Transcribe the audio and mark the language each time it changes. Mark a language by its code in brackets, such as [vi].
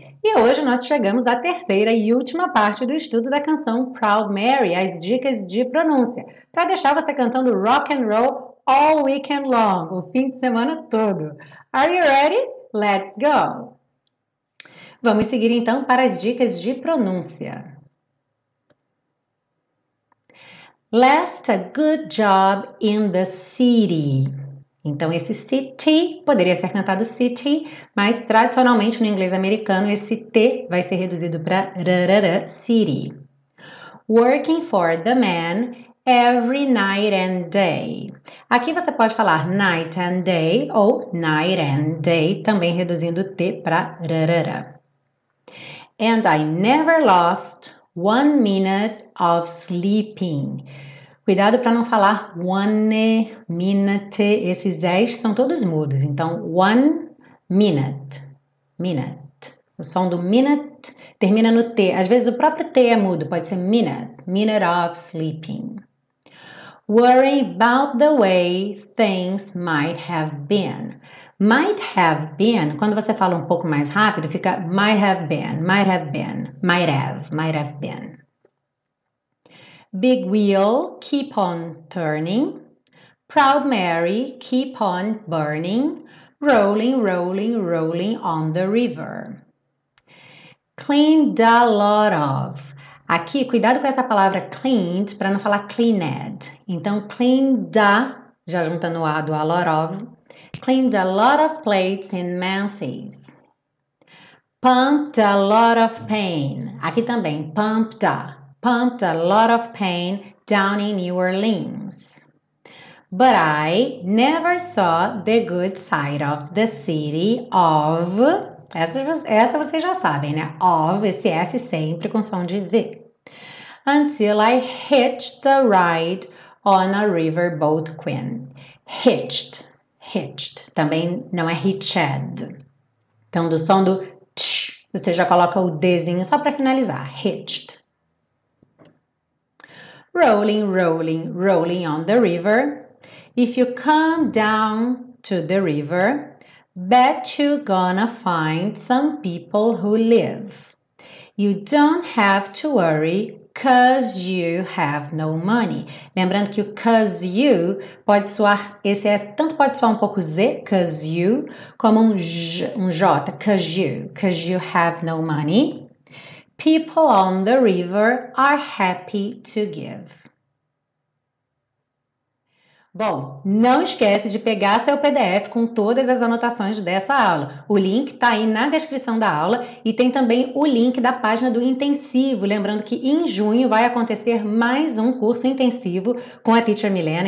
[pt] E hoje nós chegamos à terceira e última parte do estudo da canção Proud Mary, as dicas de pronúncia, para deixar você cantando [en] rock and roll all weekend long, [pt] o fim de semana todo. [en] Are you ready? Let's go! [pt] Vamos seguir então para as dicas de pronúncia. [en] Left a good job in the city. [pt] Então, esse city poderia ser cantado city, mas tradicionalmente no inglês americano esse T vai ser reduzido para rarara, city. [en] Working for the man every night and day. [pt] Aqui você pode falar [en] night and day [pt] ou night and day, também reduzindo o T para rarara. [en] And I never lost 1 minute of sleeping. [pt] Cuidado para não falar [en] one minute. [pt] Esses s são todos mudos. Então, [en] 1 minute. [pt] Minute. O som do minute termina no T. Às vezes o próprio T é mudo. Pode ser minute. [en] Minute of sleeping. Worry about the way things might have been. [pt] Might have been, quando você fala um pouco mais rápido, fica [en] might have been, might have been, might have been. Big wheel, keep on turning. Proud Mary, keep on burning. Rolling, rolling, rolling on the river. Cleaned a lot of. [pt] Aqui, cuidado com essa palavra cleaned, para não falar cleaned. Então, cleaned, já juntando o A do [en] a lot of. Cleaned a lot of plates in Memphis. Pumped a lot of pain. [pt] Aqui também, [en] pumped. Pumped a lot of pain down in New Orleans. But I never saw the good side of the city of. [pt] Essa vocês já sabem, né? Of, esse F sempre com som de V. [en] Until I hitched a ride on a riverboat Queen. Hitched. [pt] Hitched, também não é hitched. Então, do som do tch, você já coloca o dzinho só para finalizar. [en] Hitched. Rolling, rolling, rolling on the river. If you come down to the river, bet you're gonna find some people who live. You don't have to worry. Cause you have no money. [pt] Lembrando que o cause you pode soar, esse S tanto pode soar um pouco Z, cause you, como um J, [en] cause you have no money. People on the river are happy to give. [pt] Bom, não esquece de pegar seu PDF com todas as anotações dessa aula. O link está aí na descrição da aula e tem também o link da página do intensivo. Lembrando que em junho vai acontecer mais um curso intensivo com a Teacher Milena.